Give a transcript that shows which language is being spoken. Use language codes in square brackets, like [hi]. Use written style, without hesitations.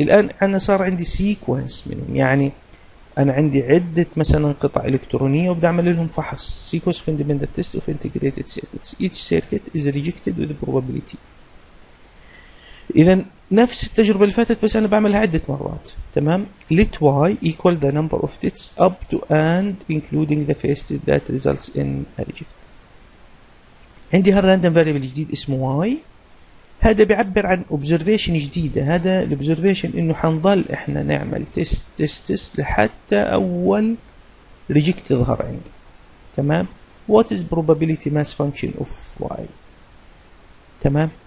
[ar] الآن أنا صار عندي sequence منهم، يعني أنا عندي عدة مثلا قطع إلكترونية وبدي أعمل لهم فحص. [en] sequence of independent tests of integrated circuits. each circuit is rejected with probability. [ar] إذا نفس التجربة اللي فاتت بس أنا بعملها عدة مرات، تمام. [en] let y equal the number of tests up to and including the first that results in a reject. [ar] عندي هالراندوم فاريبل جديد اسمه y، هذا بيعبر عن observation جديدة. هذا الobservation إنه حنظل إحنا نعمل test test test لحتى أول reject يظهر عندي، تمام. [en] what is probability mass function of y؟ [ar] تمام.